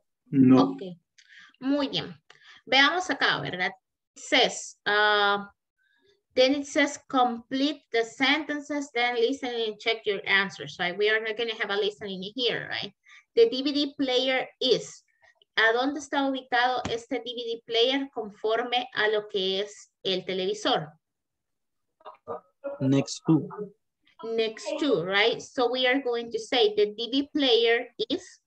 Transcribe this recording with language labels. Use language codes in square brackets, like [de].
[es] No. Okay. Muy bien. Veamos acá, ¿verdad? [en] Says, then it says complete the sentences, then listen and check your answers, right? We are not going to have a listening here, right? The DVD player is. [es] ¿A dónde está ubicado este DVD player conforme a lo que es el televisor? [en] Next to. Next to, right? So we are going to say the DVD player is.